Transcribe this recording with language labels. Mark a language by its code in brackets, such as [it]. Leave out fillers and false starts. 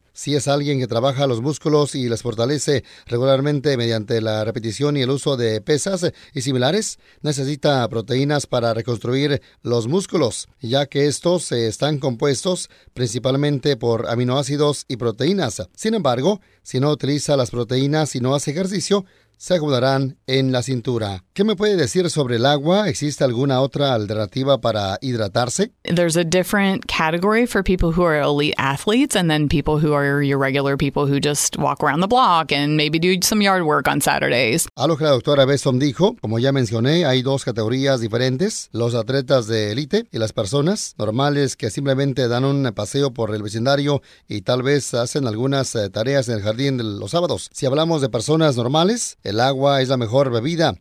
[es] Si es alguien que trabaja los músculos y les fortalece regularmente mediante la repetición y el uso de pesas y similares, necesita proteínas para reconstruir los músculos, ya que estos están compuestos principalmente por aminoácidos y proteínas. Sin embargo, si no utiliza las proteínas y no hace ejercicio, se acumularán en la cintura. ¿Qué me puede decir sobre el agua? ¿Existe alguna otra alternativa para hidratarse? [en] There's a different category for people who are elite athletes and then people who are your regular people who just walk around the block and maybe do some yard work on Saturdays. [es] A lo que la doctora Besson dijo, como ya mencioné, hay dos categorías diferentes, los atletas de élite y las personas normales que simplemente dan un paseo por el vecindario y tal vez hacen algunas tareas en el jardín los sábados. Si hablamos de personas normales, el agua es la mejor bebida.